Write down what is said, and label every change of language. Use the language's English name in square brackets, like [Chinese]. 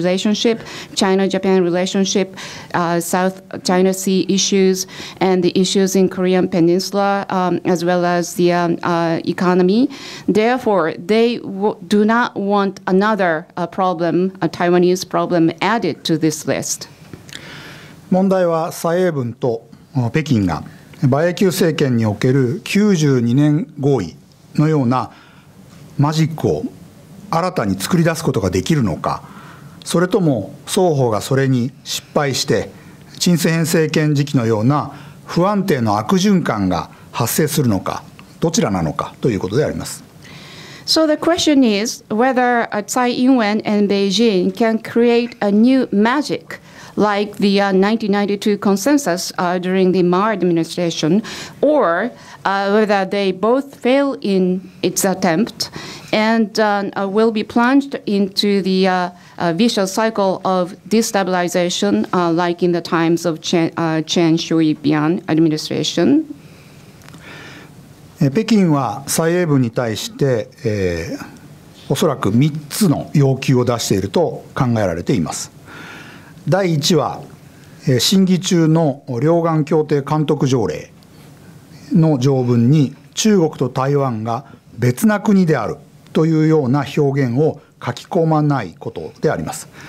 [English] relationship, China-Japan relationship, South China Sea issues, and the issues in Korean Peninsula, as well as the economy. Therefore, they do not want another problem, a Taiwanese problem, added to this list. [Japanese] 問題は蔡英文と北京が馬英九政権における92年合意のようなマジックを新たに作り出すことができるのか、それとも双方がそれに失敗して陳水扁政権時期のような不安定の悪循環が発生するのか、どちらなのかということであります。 [English] So the question is whether Tsai Ing-wen and Beijing can create a new magic like the 1992 consensus during the Mao administration, or whether they both fail in its attempt and will be plunged into the vicious cycle of destabilization like in the times of Chen Shui-bian administration. [Japanese] 北京は蔡英文に対して、おそらく3つの要求を出していると考えられています。第1は、審議中の両岸協定監督条例の条文に中国と台湾が別な国であるというような表現を書き込まないことであります。